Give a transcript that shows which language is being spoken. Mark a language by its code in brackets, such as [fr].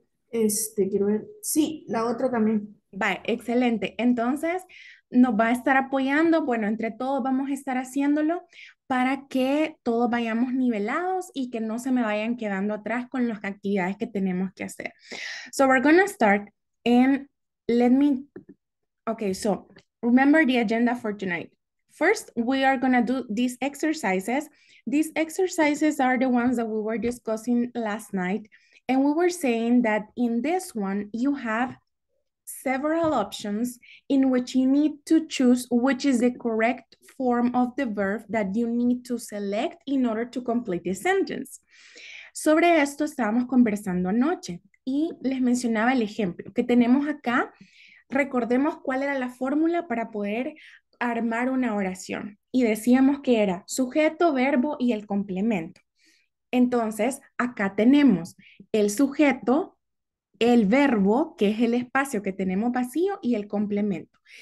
[es] Quiero ver. Sí, la otra también. Va, excelente. Entonces, nos va a estar apoyando, bueno, entre todos vamos a estar haciéndolo para que todos vayamos nivelados y que no se me vayan quedando atrás con las actividades que tenemos que hacer. [en] So we're gonna start and let me, okay, so remember the agenda for tonight. First, we are gonna do these exercises. These exercises are the ones that we were discussing last night, and we were saying that in this one, you have several options in which you need to choose which is the correct form of the verb that you need to select in order to complete the sentence. [es] Sobre esto estábamos conversando anoche y les mencionaba el ejemplo que tenemos acá. Recordemos cuál era la fórmula para poder armar una oración y decíamos que era sujeto, verbo y el complemento. Entonces, acá tenemos el sujeto, el verbo, que es el espacio que tenemos vacío, y el complemento.